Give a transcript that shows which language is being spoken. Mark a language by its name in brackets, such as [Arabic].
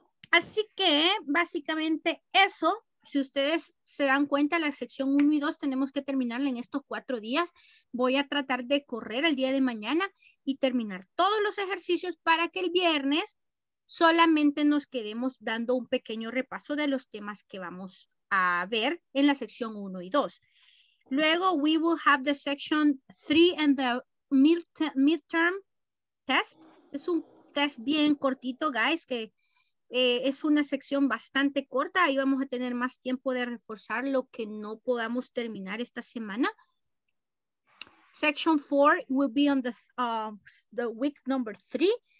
[Spanish] Así que, básicamente, eso, si ustedes se dan cuenta, la sección 1 y 2 tenemos que terminarla en estos 4 días. Voy a tratar de correr el día de mañana y terminar todos los ejercicios para que el viernes solamente nos quedemos dando un pequeño repaso de los temas que vamos a ver en la sección 1 y 2. [English] Luego, we will have the section 3 and the midterm test. [Spanish] Es un test bien cortito, guys, que es una sección bastante corta. Ahí vamos a tener más tiempo de reforzar lo que no podamos terminar esta semana. [English] Section 4 will be on the week number 3.